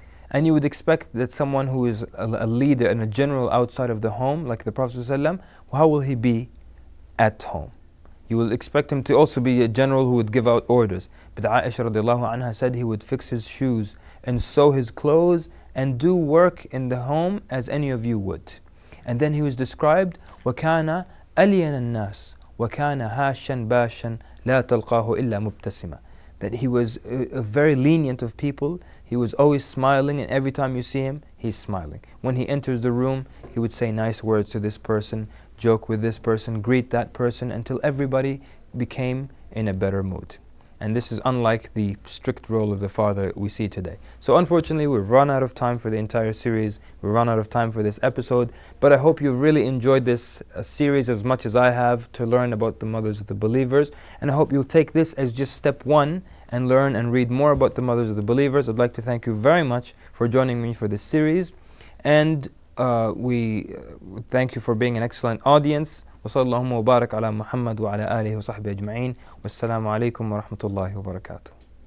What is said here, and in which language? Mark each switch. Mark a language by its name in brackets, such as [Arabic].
[English] And you would expect that someone who is a leader and a general outside of the home, like the Prophet ﷺ, how will he be at home? You will expect him to also be a general who would give out orders. But Aisha radiallahu anha said he would fix his shoes and sew his clothes and do work in the home as any of you would. And then he was described, [Arabic] وَكَانَ أَلِيَنَ النَّاسِ وَكَانَ هَاشًا بَاشًا لَا تَلْقَاهُ إِلَّا مُبْتَسِمًا. [English] That he was very lenient of people, he was always smiling, and every time you see him, he's smiling. When he enters the room, he would say nice words to this person, joke with this person, greet that person, until everybody became in a better mood. And this is unlike the strict role of the father we see today. So unfortunately, we've run out of time for the entire series. We've run out of time for this episode. But I hope you've really enjoyed this series as much as I have to learn about the mothers of the believers. And I hope you'll take this as just step one and learn and read more about the mothers of the believers. I'd like to thank you very much for joining me for this series. And we thank you for being an excellent audience. [Arabic] وصلى الله وبارك على محمد وعلى آله وصحبه أجمعين والسلام عليكم ورحمة الله وبركاته